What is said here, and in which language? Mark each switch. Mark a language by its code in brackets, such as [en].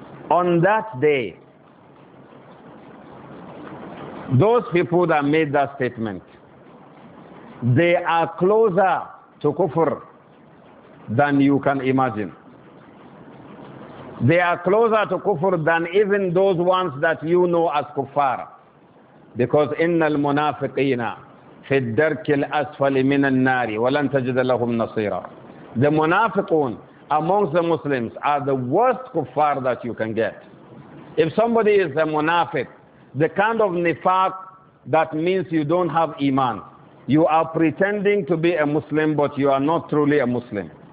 [en] On that day, those people that made that statement, they are closer to kufr than you can imagine. They are closer to kufr than even those ones that you know as kuffar. Because [ar] إِنَّ الْمُنَافِقِينَ فِي الدَّرْكِ الْأَسْفَلِ مِنَ النَّارِ وَلَنْ تَجِدَ لَهُمْ نَصِيرًا. [en] The munafiqun amongst the Muslims are the worst kuffar that you can get. If somebody is a munafiq, the kind of nifaq that means you don't have iman. You are pretending to be a Muslim, but you are not truly a Muslim.